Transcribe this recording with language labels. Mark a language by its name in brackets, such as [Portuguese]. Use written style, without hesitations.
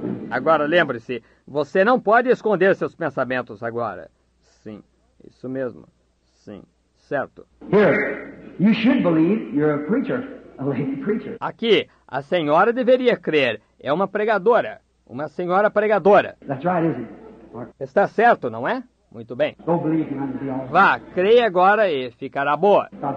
[Portuguese] Agora, lembre-se, você não pode esconder seus pensamentos agora. Sim, isso mesmo. Sim, certo. [English] Here, you should believe you're a preacher, a lady preacher. [Portuguese] Aqui, a senhora deveria crer. É uma pregadora. Uma senhora pregadora. [English] That's right, isn't it? [Portuguese] Está certo, não é? Muito bem. Vá, creia agora e ficará boa.